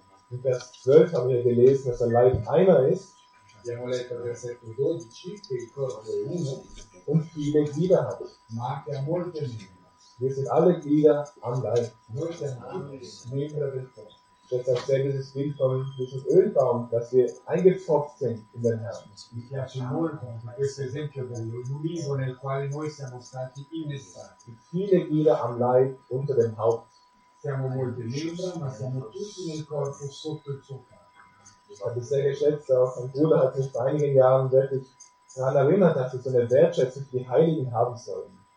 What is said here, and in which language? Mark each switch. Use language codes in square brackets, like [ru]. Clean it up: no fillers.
[de] In Vers 12 haben wir gelesen, dass der Leib einer ist. [it] Abbiamo letto il versetto 12, che il corpo è uno, [de] un viele Glieder hat, [it] ma anche ha molte membra. [de] Wir sind alle Glieder am Leib. [it] Noi siamo membra del corpo. [de] dass das selbe System kommt wie das Ölbaum, dass wir eingepfropft sind in den Herrn. [it] Mi piace molto questo esempio dell'olivo nel quale noi siamo stati innestati. [de] Viele Glieder am Leib unter dem Haupt. [it] Siamo molte membra, ma siamo tutti nel corpo sotto il suo capo. [de] Ich habe sehr geschätzt, auch mein Bruder hat mich vor einigen Jahren wirklich daran erinnert, dass wir so eine Wertschätzung für die Heiligen haben sollen.